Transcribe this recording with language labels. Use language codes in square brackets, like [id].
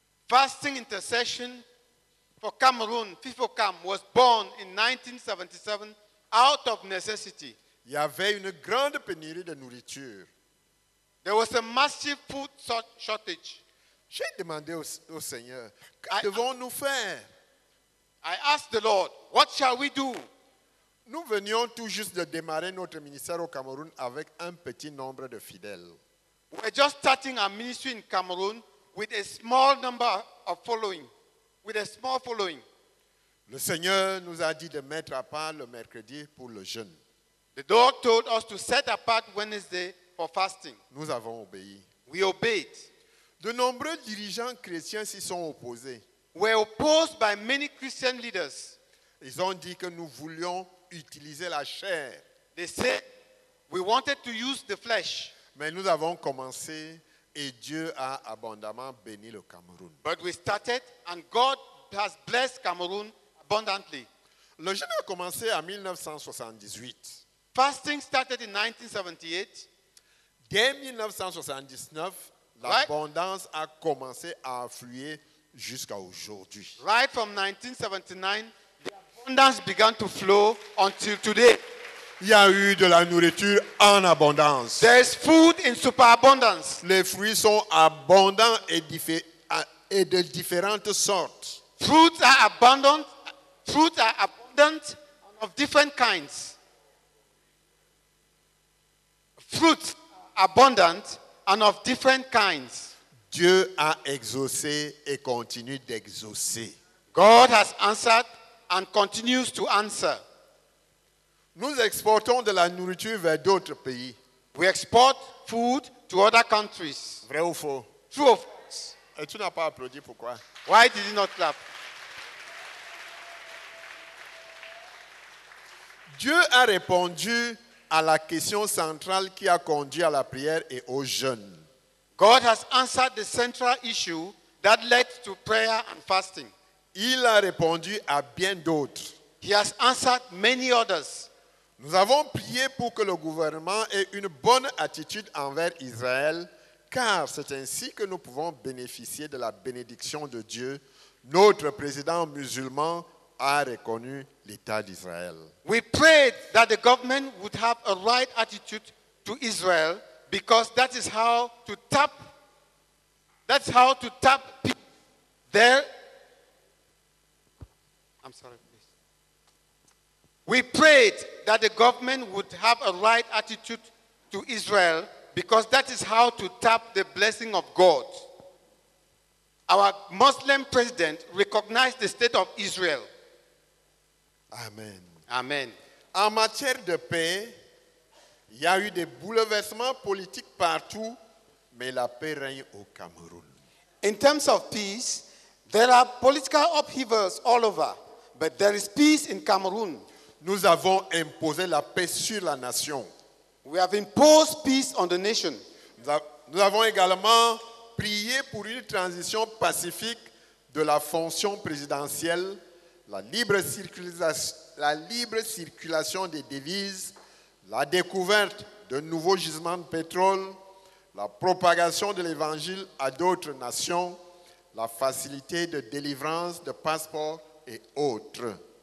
[en] Fasting intercession for Cameroon, FIFO Cam, was born in 1977 out of necessity. [fr] Il y avait une grande pénurie de nourriture. [en] There was a massive food shortage. [fr] J'ai demandé au Seigneur, que devons-nous faire? [en] I asked the Lord, what shall we do? [fr] Nous venions tout juste de démarrer notre ministère au Cameroun avec un petit nombre de fidèles. [en] We're just starting our ministry in Cameroon with a small number of following, with a small following. [fr] Le Seigneur nous a dit de mettre à part le mercredi pour le jeûne. [en] The Lord told us to set apart Wednesday for fasting. [fr] Nous avons obéi. [en] We obeyed. [fr] De nombreux dirigeants chrétiens s'y sont opposés. [en] Were opposed by many Christian leaders. [fr] Ils ont dit que nous voulions utiliser la chair. [en] They said we wanted to use the flesh. [fr] Mais nous avons commencé et Dieu a abondamment béni le Cameroun. [en] But we started and God has blessed Cameroon abundantly. [fr] Le jeûne a commencé en 1978. [en] Fasting started in 1978. [fr] Dès 1979, l'abondance a commencé à affluer jusqu'à aujourd'hui. [en] Right from 1979, the abundance began to flow until today. [fr] Il y a eu de la nourriture en abondance. [en] There's food in superabundance. [fr] Les fruits sont abondants et de différentes sortes. [en] Fruits are abundant. Fruits are abundant of different kinds. Fruits. Abondant and of different kinds. [fr] Dieu a exaucé et continue d'exaucer. [en] God has answered and continues to answer. [fr] Nous exportons de la nourriture vers d'autres pays. [en] We export food to other countries. [fr] Vrai ou faux? [en] True or false? [fr] Et tu n'as pas applaudi, pourquoi? [en] Why did you not clap? [fr] Dieu a répondu à la question centrale qui a conduit à la prière et au jeûne. [en] God has answered the central issue that led to prayer and fasting. [fr] Il a répondu à bien d'autres. [en] He has answered many others. [fr] Nous avons prié pour que le gouvernement ait une bonne attitude envers Israël, car c'est ainsi que nous pouvons bénéficier de la bénédiction de Dieu. Notre président musulman a reconnu l'État d'Israël. [en] We prayed that the government would have a right attitude to Israel because that is how to tap. That's how to tap people there. I'm sorry, please. We prayed that the government would have a right attitude to Israel because that is how to tap the blessing of God. Our Muslim president recognized the state of Israel. Amen. Amen. [fr] En matière de paix, il y a eu des bouleversements politiques partout, mais la paix règne au Cameroun. [en] In terms of peace, there are political upheavals all over, but there is peace in Cameroon. [fr] Nous avons imposé la paix sur la nation. [en] We have imposed peace on the nation. [fr] Nous avons également prié pour une transition pacifique de la fonction présidentielle, la libre circulation des devises, la découverte de nouveaux gisements de pétrole, la propagation de l'évangile à d'autres nations, la facilité de délivrance de passeports et autres.